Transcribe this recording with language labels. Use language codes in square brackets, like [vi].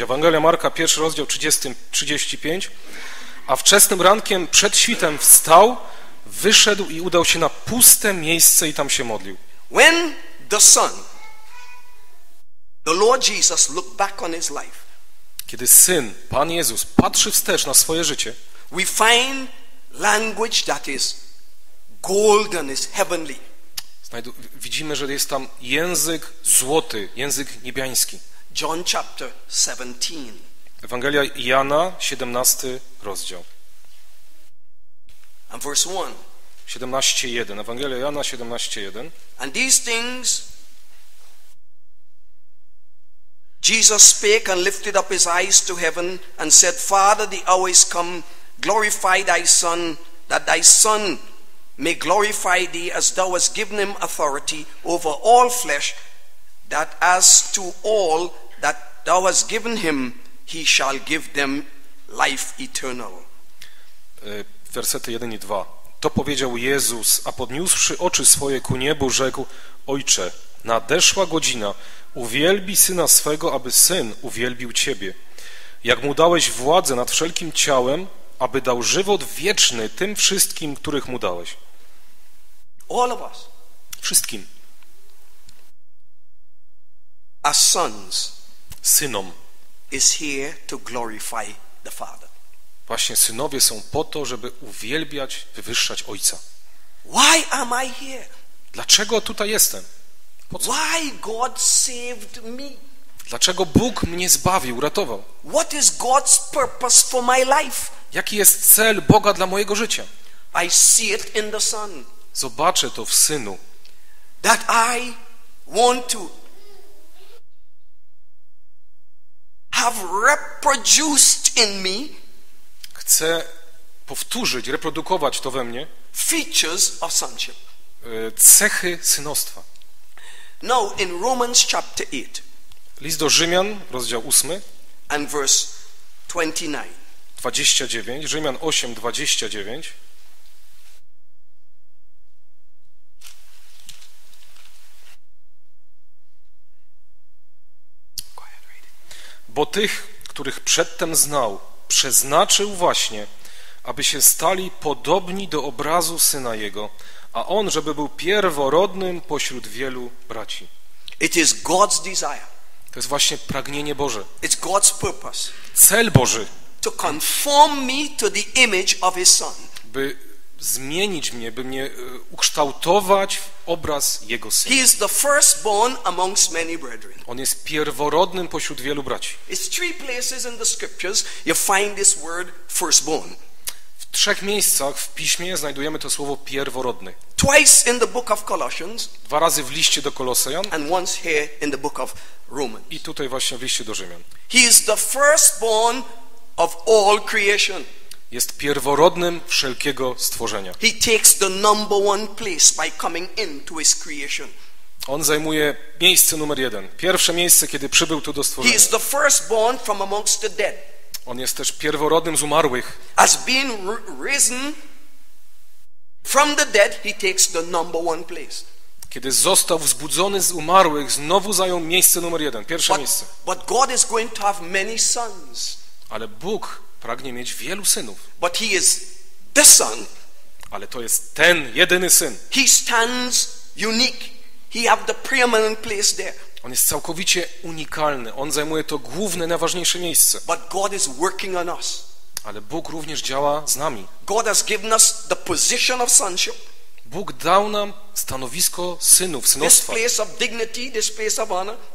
[pl] Ewangelia Marka, pierwszy rozdział, 35. A wczesnym rankiem, przed świtem, wstał, wyszedł i udał się na puste miejsce i tam się modlił. [en] When the Son, the Lord Jesus, looked back on his life, [pl] kiedy Syn, Pan Jezus, patrzy wstecz na swoje życie, [en] we find language that is golden, is heavenly. [pl] Widzimy, że jest tam język złoty, język niebiański. [en] John chapter 17. [pl] Ewangelia Jana, 17 rozdział. [en] And verse 1. [pl] 17:1. Ewangelia Jana 17:1. [en] And these things Jesus spake and lifted up his eyes to heaven and said, Father, the hour is come, glorify thy Son, that thy Son may glorify thee, as thou hast given him authority over all flesh, that as to all that thou hast given him, he shall give them life eternal. [pl] Wersety 1 i 2. To powiedział Jezus, a podniósłszy oczy swoje ku niebu, rzekł, Ojcze, nadeszła godzina, uwielbi Syna swego, aby Syn uwielbił Ciebie. Jak Mu dałeś władzę nad wszelkim ciałem, aby dał żywot wieczny tym wszystkim, których Mu dałeś. [en] All of us. [pl] Wszystkim. [en] As sons. [pl] Synom. [en] Is here to glorify the Father. [pl] Właśnie synowie są po to, żeby uwielbiać, wywyższać Ojca. [en] Why am I here? [pl] Dlaczego tutaj jestem? [en] Why God saved me? [pl] Dlaczego Bóg mnie zbawił, uratował? [en] What is God's purpose for my life? [pl] Jaki jest cel Boga dla mojego życia? [en] I see it in the Son. [pl] Zobaczę to w Synu. [en] That I want to have reproduced in me. [pl] Chcę powtórzyć, reprodukować to we mnie. [en] Features of sonship. [pl] Cechy synostwa. [en] No, in Romans chapter 8. [pl] List do Rzymian, rozdział 8. [en] And verse 29. [pl] 29, Rzymian 8, 29. [en] Go ahead, read it. [pl] Bo tych, których przedtem znał, przeznaczył właśnie, aby się stali podobni do obrazu Syna Jego, a on, żeby był pierworodnym pośród wielu braci. [en] It is God's desire. [pl] To jest właśnie pragnienie Boże. [en] It's God's purpose. [pl] Cel Boży. [en] To conform me to the image of his Son. [pl] By zmienić mnie, by mnie ukształtować w obraz Jego Syna. [en] He is the firstborn amongst many brethren. [pl] On jest pierworodnym pośród wielu braci. [en] It's three places in the scriptures you find this word firstborn. [pl] W trzech miejscach w Piśmie znajdujemy to słowo pierworodny. [en] Twice in the book of Colossians. [pl] Dwa razy w liście do Kolosejan. [en] And once here in the book of Romans. [pl] I tutaj właśnie w liście do Rzymian. [en] He is the firstborn of all creation. [pl] Jest pierworodnym wszelkiego stworzenia. [en] He takes the number one place by coming into his creation. [pl] On zajmuje miejsce numer jeden. Pierwsze miejsce, kiedy przybył tu do stworzenia. [en] He is the firstborn from amongst the dead. [pl] On jest też pierworodnym z umarłych. [en] As being risen from the dead, he takes the number one place. [pl] Kiedy został wzbudzony z umarłych, znowu zajął miejsce numer jeden, pierwsze miejsce. [en] But God is going to have many sons. [pl] Ale Bóg pragnie mieć wielu synów. [en] But he is the Son. [pl] Ale to jest ten jedyny Syn. [en] He stands unique. He have the preeminent place there. [pl] On jest całkowicie unikalny. On zajmuje to główne, najważniejsze miejsce. [en] But God is working on us. [pl] Ale Bóg również działa z nami. [en] God has given us the position of sonship. [pl] Bóg dał nam stanowisko synów, synostwa. [en] This place of dignity, this place of honor.